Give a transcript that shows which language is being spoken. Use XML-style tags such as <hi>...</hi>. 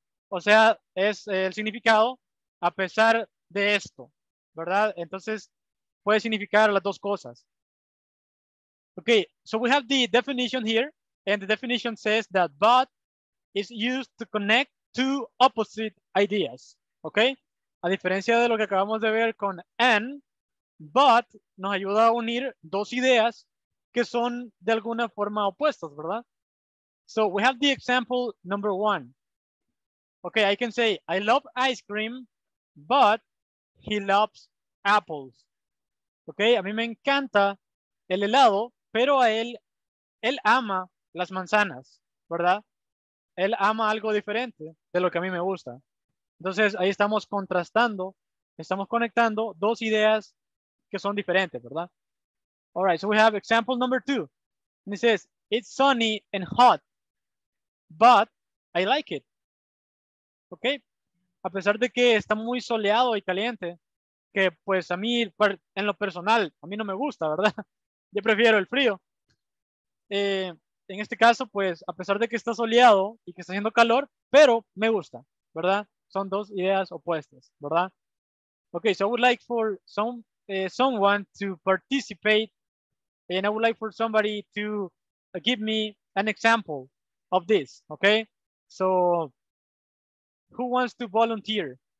<es>O sea, es el significado a pesar de esto, ¿verdad? Entonces, puede significar las dos cosas.</es> <en>Okay, so we have the definition here, and the definition says that but is used to connect two opposite ideas, okay?</en> <es>A diferencia de lo que acabamos de ver con and, but nos ayuda a unir dos ideas que son de alguna forma opuestas, ¿verdad?</es> <en>So we have the example number one. Okay, I can say, I love ice cream, but he loves apples.</en> <es>Okay, a mí me encanta el helado, pero a él, él ama las manzanas, ¿verdad? Él ama algo diferente de lo que a mí me gusta. Entonces, ahí estamos contrastando, estamos conectando dos ideas que son diferentes, ¿verdad?</es> <en>All right, so we have example number two. And it says, it's sunny and hot, but I like it. Okay?</en> <es>A pesar de que está muy soleado y caliente, que pues a mí, en lo personal, a mí no me gusta, ¿verdad? Yo prefiero el frío. En este caso, pues, a pesar de que está soleado y que está haciendo calor, pero me gusta, ¿verdad? Son dos ideas opuestas, ¿verdad?</es> <en>Okay, so I would like for someone to participate, and I would like for somebody to give me an example of this, okay? So, who wants to volunteer?</en>